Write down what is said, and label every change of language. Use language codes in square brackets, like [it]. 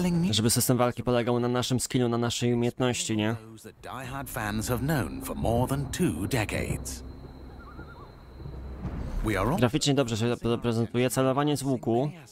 [pl] Żeby system walki polegał na naszym skillu, na naszej umiejętności, nie? [en] Diehard fans have known for more than two decades. [pl] Graficznie dobrze się prezentuje, celowanie z łuku.